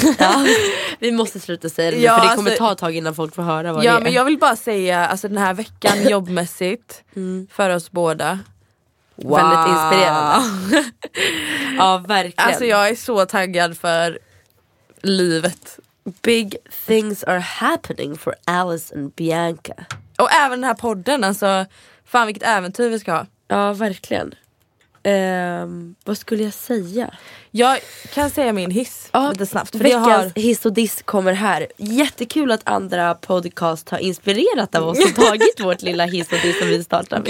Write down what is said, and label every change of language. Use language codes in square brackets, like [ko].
[sv] Ja, vi måste sluta säga det nu, ja, för det kommer alltså, ta ett tag innan folk får höra vad ja, det är. Men jag vill bara säga, alltså den här veckan jobbmässigt för oss båda. Wow. Väldigt inspirerande. Ja, verkligen. Alltså jag är så taggad för livet. [en] Big things are happening for Alice and Bianca. [sv] Och även den här podden, alltså fan vilket äventyr vi ska ha. Ja, verkligen. Vad skulle jag säga? Jag kan säga min hiss lite snabbt. För veckans hiss och diss kommer här. Jättekul att andra podcast har inspirerat av oss och tagit vårt lilla hiss och diss som vi startade med.